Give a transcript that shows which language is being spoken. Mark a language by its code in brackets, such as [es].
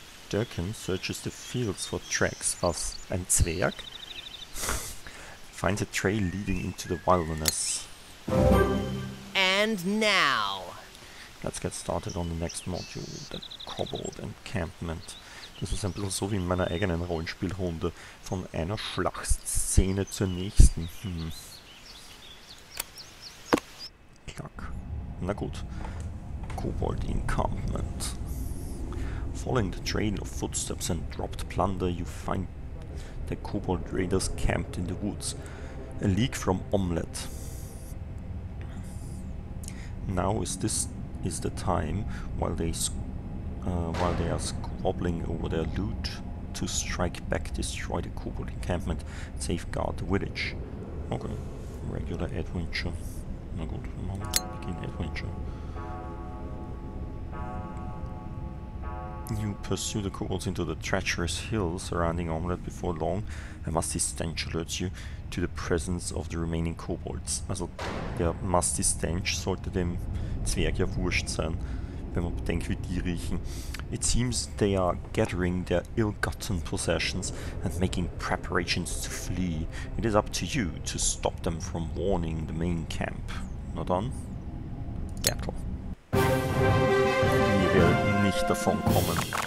[en] Durkin searches the fields for tracks. [de] Was? Ein Zwerg? [en] Find a trail leading into the wilderness. And now, let's get started on the next module, the Kobold Encampment. [de] Das ist ein bisschen so wie in meiner eigenen Rollenspielrunde, von einer Schlachtszene zur nächsten. Hm. Klack. Na gut. Kobold Encampment. [en] Following the trail of footsteps and dropped plunder, you find the Kobold Raiders camped in the woods, a league from Omelet. Now is the time, while they are squabbling over their loot, to strike back, destroy the kobold encampment, safeguard the village. Okay, regular adventure. [de] Na gut, [en] begin adventure. You pursue the kobolds into the treacherous hills surrounding Omelet before long. A musty stench alerts you to the presence of the remaining kobolds. [de] Also, der musty stench sollte dem Zwerg ja wurscht sein, wenn man bedenkt, wie die riechen. [en] It seems they are gathering their ill-gotten possessions and making preparations to flee. It is up to you to stop them from warning the main camp. [de] Na dann, battle. Ihr werdet nicht davon kommen.